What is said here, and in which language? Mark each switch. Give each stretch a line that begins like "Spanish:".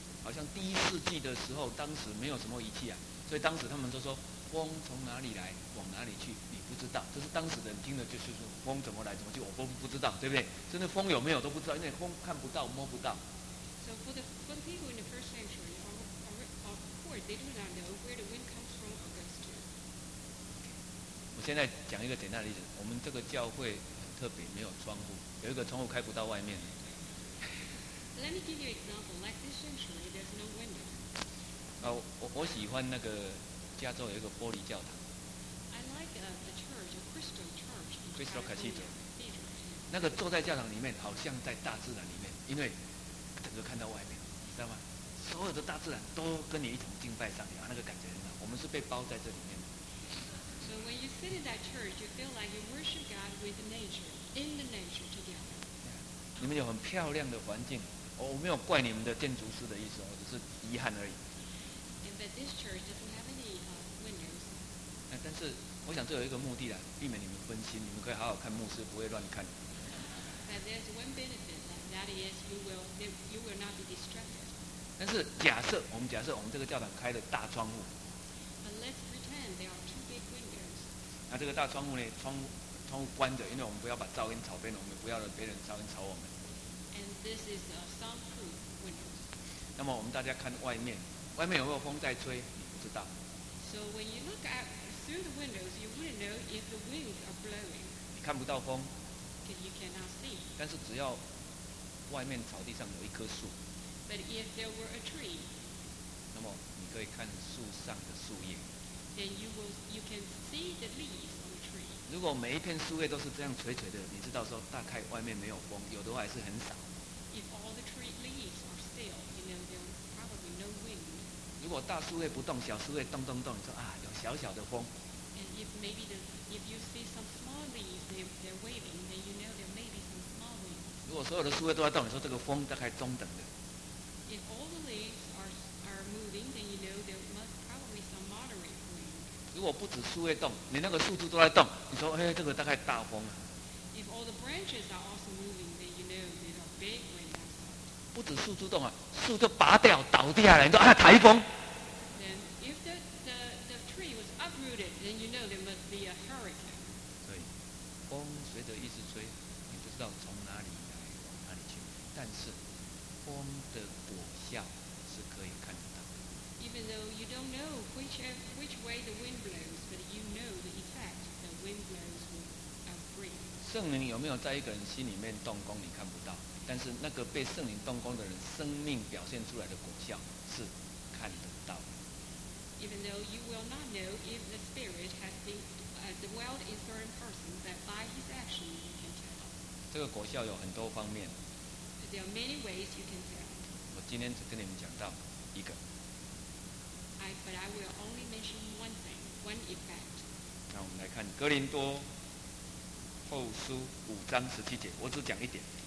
Chinese: 好像第一世纪的时候，当时没有什么仪器啊，所以当时他们就说。风从哪里来，往哪里去，你不知道。这是当时的人听的，就是说风怎么来，怎么去，我都不知道，对不对？真的风有没有都不知道，因为风看不到，摸不到。
English: So for the people in the first century, of course, they do not know where the wind comes from or goes to.
Chinese: 我现在讲一个简单的例子，我们这个教会很特别，没有窗户，有一个窗户开不到外面。
English: Let me give you an example. Like this century, there's no window.
Chinese: 我喜欢那个。加州有一个玻璃教堂。
English: I like the church, a crystal church. Crystal Cathedral.
Chinese: 那个坐在教堂里面，好像在大自然里面，因为整个看到外面，你知道吗？所有的大自然都跟你一同敬拜上帝，那个感觉很好。我们是被包在这里面的。
English: So when you sit in that church, you feel like you worship God with nature, in the nature together.
Chinese: 你们有很漂亮的环境，我没有怪你们的建筑师的意思，我只是遗憾而已。
English: But this church doesn't have any windows.
Chinese: 但是我想这有一个目的啦，避免你们分心，你们可以好好看牧师，不会乱看。
English: But there's one benefit, that is you will not be distracted.
Chinese: 但是假设我们这个教堂开了大窗户。
English: But let's pretend there are two big windows.
Chinese: 那这个大窗户呢，窗户关着，因为我们不要把噪音吵别人，我们不要让别人噪音吵我们。
English: And this is a soundproof windows.
Chinese: 那么我们大家看外面。外面有没有风在吹？你不知道。
English: So when you look out through the windows, you wouldn't know if the winds are blowing.
Chinese: 你看不到风。
English: You cannot see.
Chinese: 但是只要外面草地上有一棵树。
English: But if there were a tree.
Chinese: 那么你可以看树上的树叶。
English: Then you can see the leaves on the tree.
Chinese: 如果每一片树叶都是这样垂垂的，你知道说大概外面没有风，有的话还是很少。
English: If all the tree leaves are still, you know there are probably no wind.
Chinese: 如果大树叶不动，小树叶动动动，你说啊，有小小的风。
English: And if you see some small leaves, they're waving, then you know there may be some small wind.
Chinese: 如果所有的树叶都在动，你说这个风大概中等的。
English: If all the leaves are moving, then you know there must probably some moderate wind.
Chinese: 如果不止树会动，你那个树枝都在动，你说，哎，这个大概大风了。
English: If all the branches are also moving, then you know there's a big wind outside.
Chinese: 不止树枝动啊，树就拔掉倒地下来，你说啊，台风。
English: Then if the tree was uprooted, then you know there must be a hurricane.
Chinese: 所以，风随着一直吹，你不知道从哪里来往哪里去，但是风的果效是可以看得到的。
English: Even though you don't know which way the wind blows, but you know the effect the wind blows will bring.
Chinese: 圣灵有没有在一个人心里面动工？你看不到，但是那个被圣灵动工的人，生命表现出来的果效是看得到的。
English: Even though you will not know if the spirit has been dwelled in certain person, but by his action you can tell.
Chinese: 这个果效有很多方面。
English: There are many ways you can tell.
Chinese: 我今天只跟你们讲到一个。
English: But I will only mention one thing, one effect.
Chinese: 那我们来看哥林多后书五章十七节，我只讲一点。